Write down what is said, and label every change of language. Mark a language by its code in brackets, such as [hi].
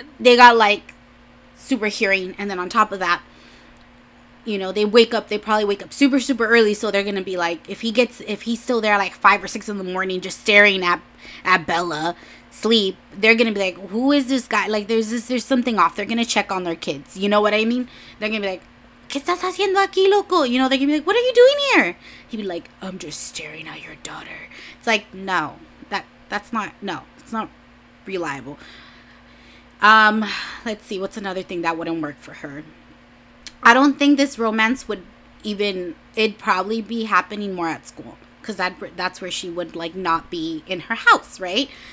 [en] They got, like, super hearing. And then on top of that, you know, they probably wake up super, super early. So they're going to be like, if he's still there, like, 5 or 6 in the morning, just staring at Bella sleep, they're gonna be like, who is this guy? Like, there's something off. They're gonna check on their kids, you know what I mean? They're gonna be like, [es] ¿qué estás haciendo aquí, loco? [en] You know, they're gonna be like, what are you doing here? He'd be like, I'm just staring at your daughter. It's like, no, that's not reliable. Let's see, what's another thing that wouldn't work for her? I don't think this romance would even, it'd probably be happening more at school, because that's where she would, like, not be in her house, right?